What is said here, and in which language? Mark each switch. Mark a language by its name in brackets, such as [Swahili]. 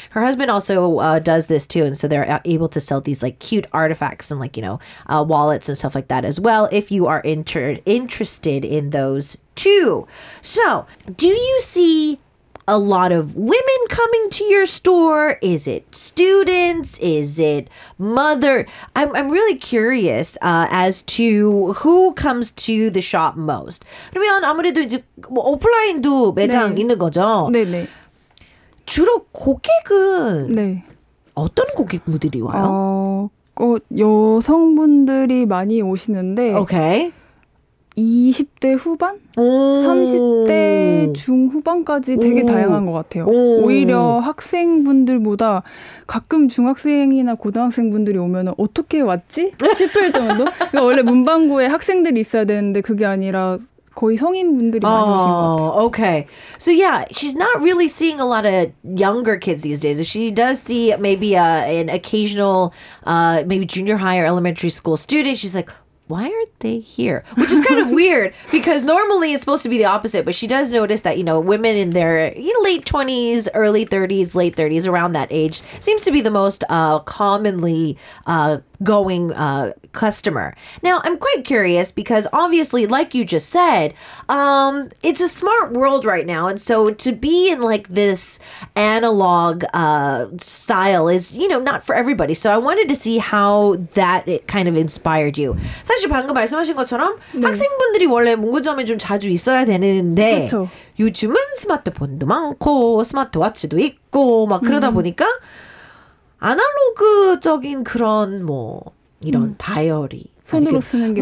[English] Her husband also does this too. And so they're able to sell these like cute artifacts and like, you know, wallets and stuff like that as well, if you are interested in those too. So do you see a lot of women coming to your store? Is it students? Is it mother? I'm really curious as to who comes to the shop most. [Korean] 그러면 아무래도 이제 뭐 오프라인도 매장 네. 있는 거죠. 네네. 네. 주로 고객은 네. 어떤 고객분들이 와요? 여성분들이 많이 오시는데. 오케이. 20대 후반? 30대 중후반까지 되게 다양한 것 같아요. 오히려 학생분들보다 가끔 중학생이나 고등학생분들이 오면 어떻게 왔지? 싶을 정도? 그러니까 원래 문방구에 학생들이 있어야 되는데 그게 아니라 거의 성인분들이 많이 오신 것 같아요. [English] Okay. So yeah, she's not really seeing a lot of younger kids these days. She does see maybe an occasional maybe junior high or elementary school student. She's like, why aren't they here? Which is kind of weird because normally it's supposed to be the opposite. But she does notice that, you know, women in their late 20s, early 30s, late 30s, around that age, seems to be the most commonly going customer. Now, I'm quite curious because obviously, like you just said, it's a smart world right now. And so to be in like this analog style is, you know, not for everybody. So I wanted to see how that it kind of inspired you. [Korean] 사실 방금 말씀하신 것처럼 네. 학생분들이 원래 문구점에 좀 자주 있어야 되는데 그쵸. 요즘은 스마트폰도 많고 스마트워치도 있고 막 그러다 보니까 아날로그적인 그런 뭐 이런 다이어리 손으로 쓰는 게